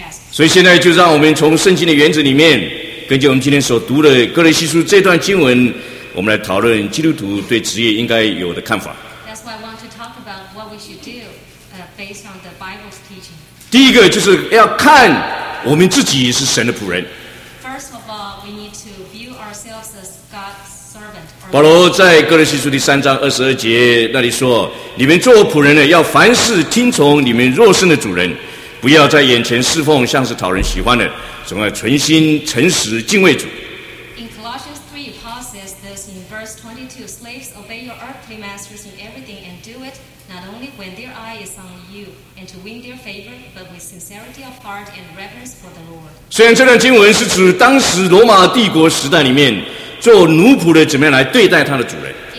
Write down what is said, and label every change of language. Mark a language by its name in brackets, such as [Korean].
[Chinese] 所以现在就让我们从圣经的原则里面，根据我们今天所读的哥罗西书这段经文，我们来讨论基督徒对职业应该有的看法。 [English] That's why I want to talk about what we should do, based on the Bible's teaching. [Chinese] 第一个就是要看我们自己是神的仆人。 [English] First of all, we need to view ourselves as God's servant. [Chinese] 保罗在哥罗西书第三章二十二节那里说：“你们做仆人的，要凡事听从你们肉身的主人。” 不要在眼前侍奉，像是讨人喜欢的，总要存心诚实敬畏主。 [English] In Colossians 3, Paul says this in verse 22: Slaves, obey your earthly masters in everything, and do it not only when their eye is on you and to win their favor, but with sincerity of heart and reverence for the Lord. [Chinese] 虽然这段经文是指当时罗马帝国时代里面做奴仆的怎么样来对待他的主人。